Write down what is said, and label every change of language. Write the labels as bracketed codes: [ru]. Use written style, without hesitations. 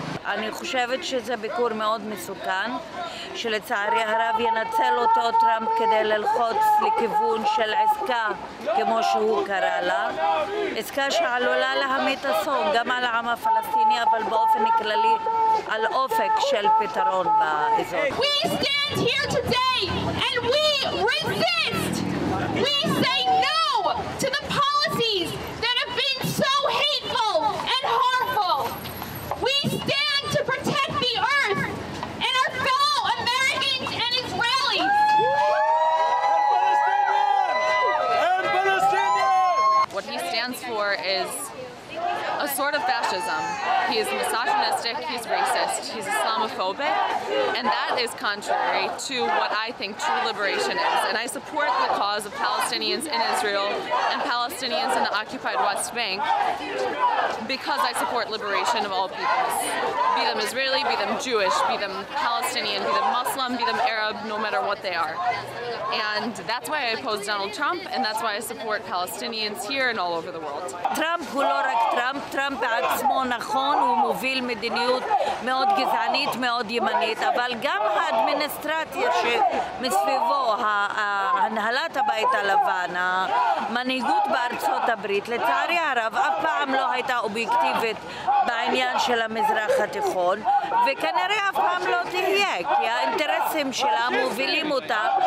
[he] אני חושבת שזה ביקור מאוד מסוכן, שלצערי הרב ינצל אותו טראמפ כדי ללחוץ לכיוון של עסקה, כמו שהוא קרא לה. עסקה שעלולה להמית אסון גם על העם הפלסטיני, אבל באופן כללי על אופק של פתרון באזור. [en] We stand here today and we resist! We say no to the policies that have been so hateful and harmful! We stand to protect the earth and our fellow Americans and Israelis. And Palestinians! And Palestinians! What he stands for is a sort of fascism. He is misogynistic, he's racist, he's Islamophobic, and that is contrary to what I think true liberation is. And I support the cause of Palestinians in Israel and Palestinians in the occupied West Bank because I support liberation of all peoples, be them Israeli, be them Jewish, be them Palestinian, be them Muslim, be them Arab, no matter what they are. And that's why I oppose Donald Trump, and that's why I support Palestinians here and all over the world. [he] Trump בעצמו, נכון, הוא מוביל מדיניות מאוד גזענית, מאוד ימנית, אבל גם האדמיניסטרציה שמסביבו, הנהלת הבית הלבן, המנהיגות בארצות הברית, לצערי הרב, אף פעם לא הייתה אובייקטיבית בעניין של המזרח התיכון, וכנראה אף פעם לא תהיה, כי האינטרסים שלה מובילים אותה